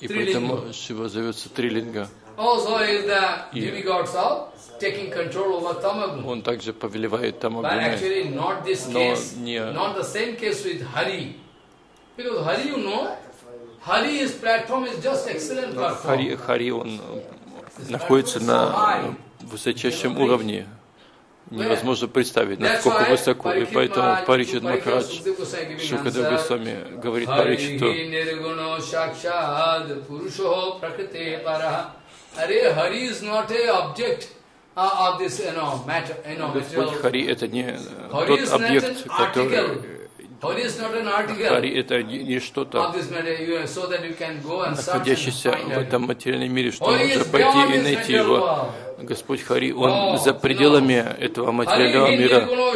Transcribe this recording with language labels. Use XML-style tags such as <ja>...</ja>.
<ru>И поэтому Шива зовется Трилинга.</ru> <en>Also is the demigods of taking control over Тамагуна.</en> <ru>Он также повелевает Тамагуной.</ru> <en>But actually not this case, not the same case with Hari. Because Hari, you know, Hari's platform is just excellent platform.</en> <ru>Хари он находится на высочайшем уровне. Невозможно представить, насколько высоко. И поэтому Парикшит Махарадж Шукадева Госвами говорит Парикшиту.</ru> <en>Хари is not an object of this, you know, matter, you know.</en> <ru>Господь Хари это не тот объект, который.</ru> <en>Hari is not an article.</en> <ru>Хари это не что-то, находящееся в этом материальном мире, что можно пойти и найти его. Господь Хари, он за пределами этого материального мира.</ru>